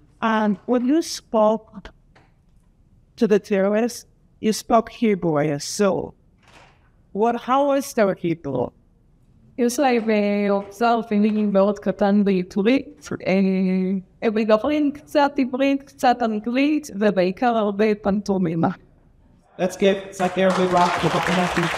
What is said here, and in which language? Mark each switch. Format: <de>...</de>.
<en>And when you spoke to the terrorists, you spoke Hebrew, I assume. What, how was their Hebrew?</en> <he>יש להם אוצר פינים מאוד קטן בעברית. הם מדברים קצת עברית, קצת אנגלית, ובעיקר הרבה פנטומימה.</he> <en>Let's give Sapir a round of applause.</en>